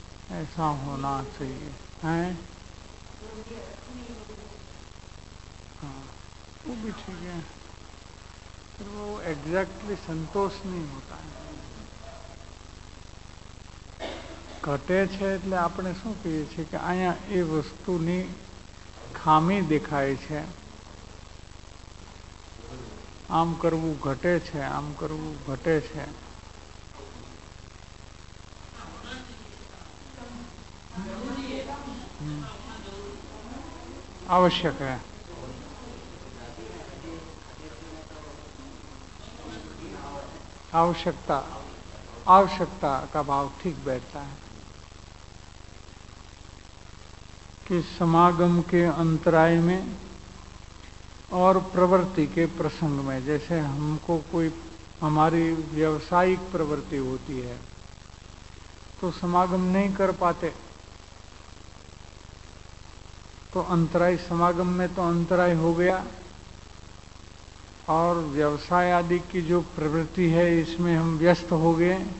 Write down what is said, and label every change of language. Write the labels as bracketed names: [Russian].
[Hindi] ऐसा होना चाहिए है, वो भी ठीक है पर वो एग्जैक्टली संतोष नहीं होता है। [Gujarati] ઘટે છે એટલે આપણે શું કહીએ છીએ કે અહીંયા એ વસ્તુની ખામી દેખાય છે, આમ કરવું ઘટે છે, આમ કરવું ઘટે છે, આવશ્યક છે [Hindi] આવશ્યકતા, આવશ્યકતા કા ભાવ ઠીક બેઠતા હૈ। इस समागम के अंतराय में और प्रवृत्ति के प्रसंग में, जैसे हमको कोई हमारी व्यवसायिक प्रवृत्ति होती है तो समागम नहीं कर पाते, तो अंतराय समागम में तो अंतराय हो गया और व्यवसाय आदि की जो प्रवृत्ति है इसमें हम व्यस्त हो गए।